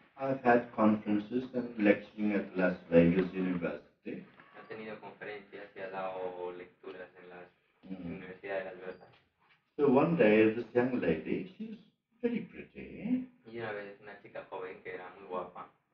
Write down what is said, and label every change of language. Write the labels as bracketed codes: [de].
[en] I've had conferences and lecturing at Las Vegas University. [es] Ha tenido conferencias y ha dado lecturas en la Universidad de Las Vegas. [en] So one day this young lady, she's very pretty. [es] Y una vez una chica joven que era muy guapa.